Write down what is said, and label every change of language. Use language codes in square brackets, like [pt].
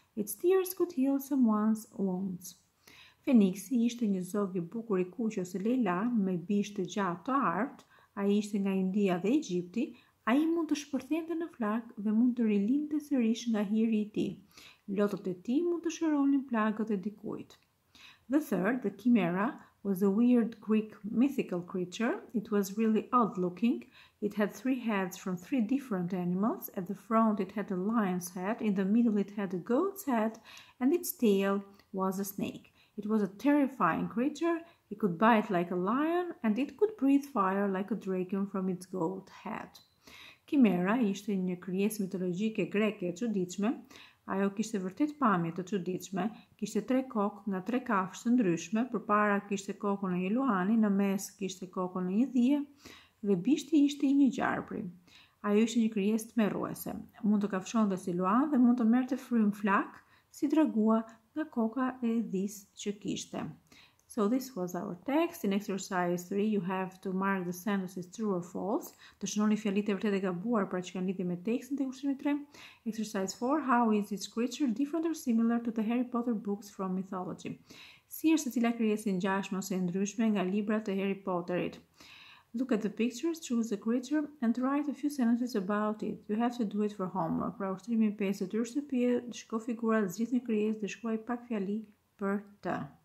[en] Its tears could heal someone's wounds. [sq] Feniksi ishte një zog I bukur I kuq ose lela me bishë të gjatë të artë, ai ishte nga India dhe Egjipti, ai mund të shpërthente në flakë dhe mund të rilinte sërish nga hiri I tij. Lotët e tij mund të shëronin plagët e dikujt. [en] The third, the chimera, was a weird Greek mythical creature. It was really odd looking. It had three heads from three different animals. At the front it had a lion's head, in the middle it had a goat's head, and its tail was a snake. It was a terrifying creature, it could bite like a lion, and it could breathe fire like a dragon from its gold head. [sq] Chimera ishte një krijesë mitologjike greke e çuditshme, ajo kishte vërtet pamje të çuditshme, kishte tre kokë nga tre kafshë të ndryshme, përpara kishte kokën e një luani, në mes kishte kokën e një dhije, dhe bishti ishte I një gjarpri. Ajo ishte një krijesë tmerruese, mund të kafshonte si luan dhe mund të merrte frymë flak, si dragua, nga koka e dhis që kishte. [en] So this was our text. In exercise 3, you have to mark the sentences true or false. [sq] Të shënoni fjalitë e vërtetë e gabuar pra që kanë lidhje me tekstin të ushtrimit 3. [en] Exercise 4, how is this creature different or similar to the Harry Potter books from mythology? [sq] Si është e cila krijesë ngjashme ose e ndryshme nga librat e Harry Potterit? [en] Look at the pictures, choose the creature, and write a few sentences about it. You have to do it for homework. [sq] Pra ushtrimi 5 të shtëpi, shko figurat, zgjidhni krijesë dhe shkruaj pak fjali për të.